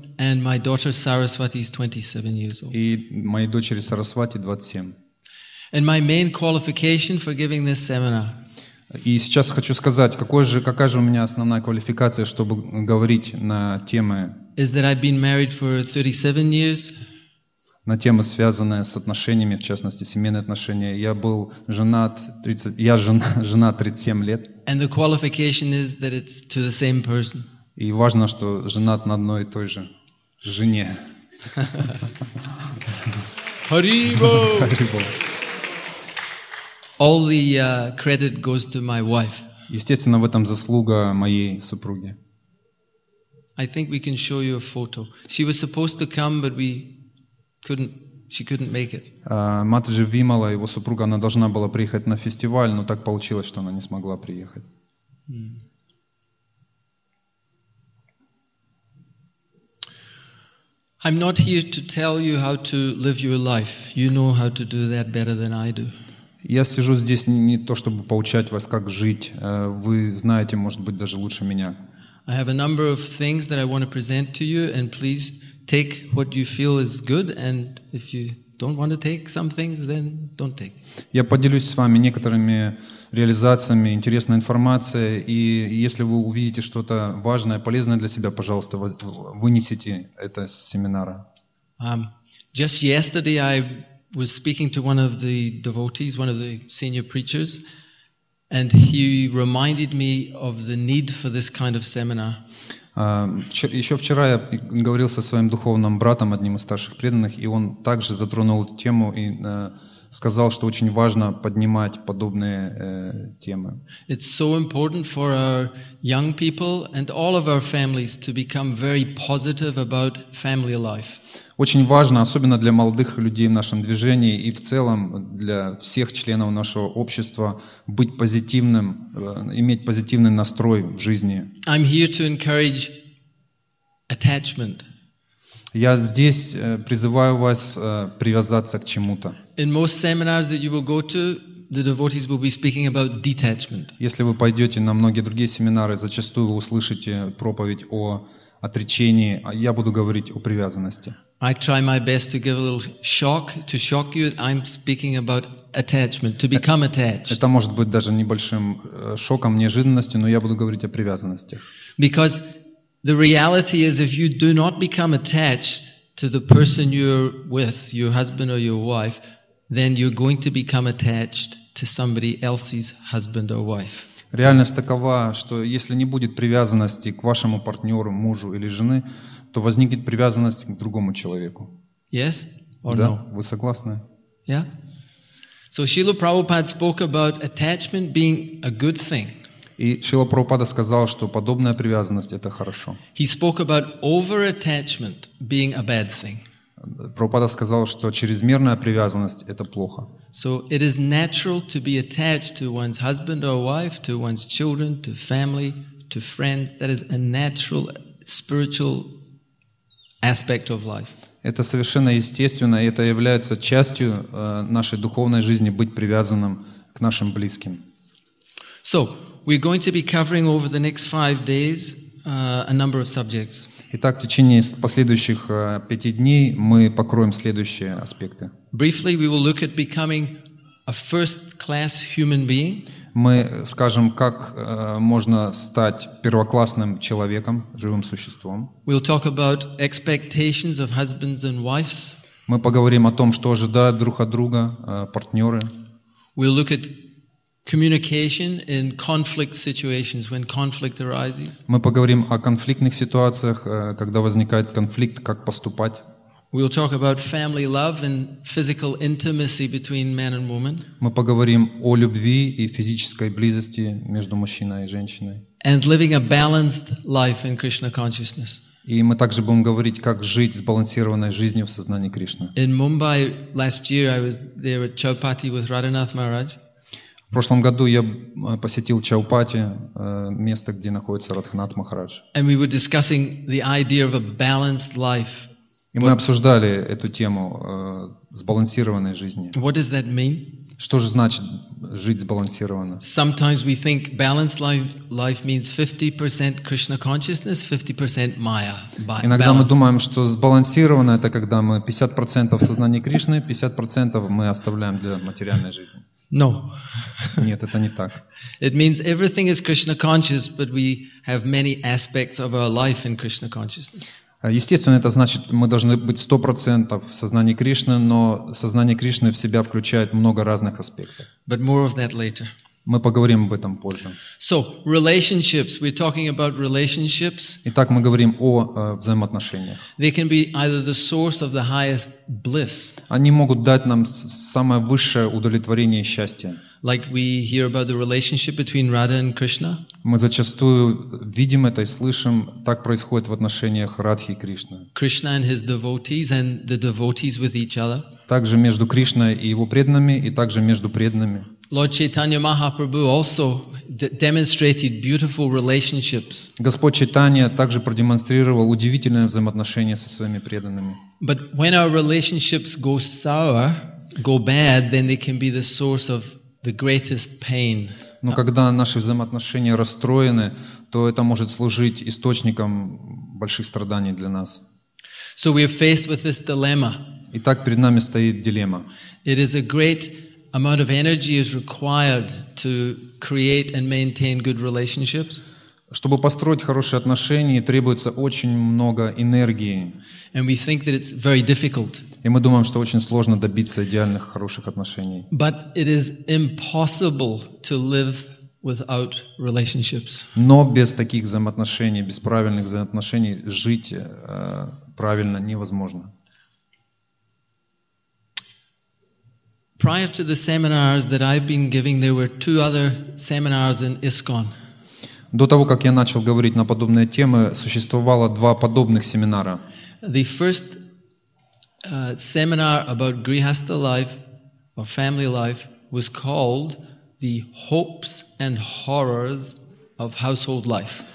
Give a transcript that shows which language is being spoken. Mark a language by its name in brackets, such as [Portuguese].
[English] And my daughter Saraswati is 27 years old. [Russian] И моей дочери Сарасвати 27. [English] And my main qualification for giving this seminar. [Russian] И сейчас хочу сказать, какая же у меня основная квалификация, чтобы говорить на темы. [English] Is that I've been married for 37 years. [Russian] На темы, связанные с отношениями, в частности, семейные отношения. Я женат 37 лет. [English] And the qualification is that it's to the same person. [Russian] И важно, что женат на одной и той же. Жене. Харибо! Харибо! [English] All the credit goes to my wife. [Russian] Естественно, в этом заслуга моей супруги. [English] I think we can show you a photo. She was supposed to come, but we couldn't. She couldn't make it. [Russian] Матаджи Вимала, его супруга, она должна была приехать на фестиваль, но так получилось, что она не смогла приехать. [English] I'm not here to tell you how to live your life. You know how to do that better than I do. [Russian] Я сижу здесь не то чтобы поучать вас как жить. Вы знаете, может быть, даже лучше меня. [English] I have a number of things that I want to present to you, and please take what you feel is good, and if you don't want to take some things, then don't take. [Russian] Я поделюсь с вами некоторыми реализациями, интересной информацией, и если вы увидите что-то важное, полезное для себя, пожалуйста, вынесите это с семинара. [English] Just yesterday I was speaking to one of the devotees, one of the senior preachers, and he reminded me of the need for this kind of seminar. [Russian] Еще вчера я говорил со своим духовным братом, одним из старших преданных, и он также затронул эту тему и сказал, что очень важно поднимать подобные темы. [English] It's so important for our young people and all of our families to become very positive about family life. [Russian] Очень важно, особенно для молодых людей в нашем движении и в целом для всех членов нашего общества, быть позитивным, иметь позитивный настрой в жизни. [English] I'm here to encourage attachment. [Russian] Я здесь призываю вас привязаться к чему-то. [English] In most seminars that you will go to, the devotees will be speaking about detachment. [Russian] Если вы пойдете на многие другие семинары, зачастую вы услышите проповедь о отречении, а я буду говорить о привязанности. [English] I try my best to give a little shock, to shock you. I'm speaking about attachment, to become attached. [Russian] Это может быть даже небольшим шоком, неожиданностью, но я буду говорить о привязанности. [English] Because the reality is, if you do not become attached to the person you're with, your husband or your wife, then you're going to become attached to somebody else's husband or wife. [Russian] Реальность такова, что если не будет привязанности к вашему партнеру, мужу или жены, то возникнет привязанность к другому человеку. [English] Yes or [Russian] да? [English] No? [Russian] Вы согласны? [English] Yeah. So Srila Prabhupada spoke about attachment being a good thing. [Russian] И Шрила Прабхупада сказал, что подобная привязанность — это хорошо. [English] He spoke about over-attachment being a bad thing. [Russian] Прабхупада сказал, что чрезмерная привязанность — это плохо. [English] So it is natural to be attached to one's husband or wife, to one's children, to family, to friends. That is a natural spiritual aspect of life. [Russian] Это совершенно естественно, и это является частью нашей духовной жизни — быть привязанным к нашим близким. [English] So we're going to be covering over the next 5 days a number of subjects. [Russian] Итак, в течение последующих 5 дней мы покроем следующие аспекты. [English] Briefly, we will look at becoming a first-class human being. [Russian] Мы скажем, как можно стать первоклассным человеком, живым существом. [English] We'll talk about expectations of husbands and wives. [Russian] Мы поговорим о том, что ожидают друг от друга партнеры. [English] We'll look at communication in conflict situations when conflict arises. [Russian] Мы поговорим о конфликтных ситуациях, когда возникает конфликт, как поступать. [English] We'll talk about family love and physical intimacy between man and woman. [Russian] Мы поговорим о любви и физической близости между мужчиной и женщиной. [English] And living a balanced life in Krishna consciousness. [Russian] И мы также будем говорить, как жить сбалансированной жизнью в сознании Кришны. [English] In Mumbai last year, I was there at Chaupati with Radhanath Maharaj. [Russian] В прошлом году я посетил Чаупати, место, где находится Радханат Махарадж. [English] And we were discussing the idea of a balanced life. [Russian] И мы обсуждали эту тему сбалансированной жизни. [English] What does that mean? [Russian] Что же значит жить сбалансированно? [English] Sometimes we think balanced life means 50% Krishna consciousness, 50% Maya. [Russian] Иногда мы думаем, что сбалансированно — это когда мы 50% сознания Кришны, 50% мы оставляем для материальной жизни. [English] No. [Russian] Нет, это не так. [English] It means everything is Krishna conscious, but we have many aspects of our life in Krishna consciousness. [Russian] Естественно, это значит, мы должны быть 100% в сознании Кришны, но сознание Кришны в себя включает много разных аспектов. [English] But more of that later. [Russian] Мы поговорим об этом позже. [English] So, relationships. We're talking about relationships. [Russian] Итак, мы говорим о взаимоотношениях. [English] They can be either the source of the highest bliss. [Russian] Они могут дать нам самое высшее удовлетворение и счастье. [English] Like we hear about the relationship between Radha and Krishna. [Russian] Мы зачастую видим это и слышим, так происходит в отношениях Радхи и Кришны. [English] Krishna and his devotees and the devotees with each other. [Russian] Также между Кришной и его преданными, и также между преданными. [English] Lord Chaitanya Mahaprabhu also demonstrated beautiful relationships. [Russian] Господь Чайтанья также продемонстрировал удивительное взаимоотношение со своими преданными. [English] But when our relationships go sour, go bad, then they can be the source of the greatest pain. [Russian] Но когда наши взаимоотношения расстроены, то это может служить источником больших страданий для нас. [English] So we are faced with this dilemma. [Russian] Итак, перед нами стоит дилемма. [English] It is a great amount of energy is required to create and maintain good relationships. [Russian] Чтобы построить хорошие отношения, требуется очень много энергии. [English] And we think that it's very difficult. [Russian] И мы думаем, что очень сложно добиться идеальных хороших отношений. [English] But it is impossible to live without relationships. [Russian] Но без таких взаимоотношений, без правильных взаимоотношений жить правильно невозможно. [English] Prior to the seminars that I've been giving, there were two other seminars in ISKCON. [Russian] До того, как я начал говорить на подобные темы, существовало два подобных семинара. [English] The first seminar about Grihastha life or family life was called The Hopes and Horrors of Household Life.